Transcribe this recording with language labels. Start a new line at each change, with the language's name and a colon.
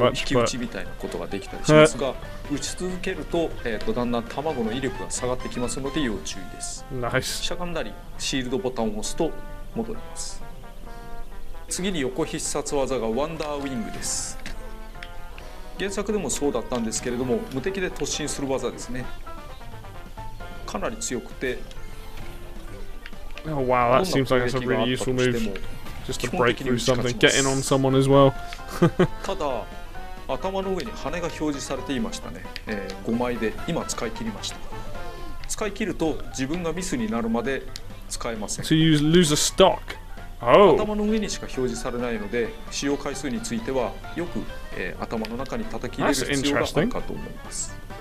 Japanese: 一応引き打ちみたいなことができたりしますが、打ち続けると、だんだん卵の威力が下がってきますので要注意です。
English: Nice.
Japanese: しゃがんだりシールドボタンを押すと戻ります。次に横必殺技がワンダーウィングです。原作でもそうだったんですけれども、無敵で突進する技ですね。かなり強くて、
English: oh, wow, that seems like a really useful move. Just to break through something, getting on someone as well.
Japanese: ただ、頭の上に羽が表示されていましたね。 5枚で今使い切りました。使い切ると自分がミスになるまで使えません。
English: So you lose a stock. Oh.
Japanese: 頭の上にしか表示されないので、使用回数についてはよく、頭の中に叩き入れる必要があるかと思います。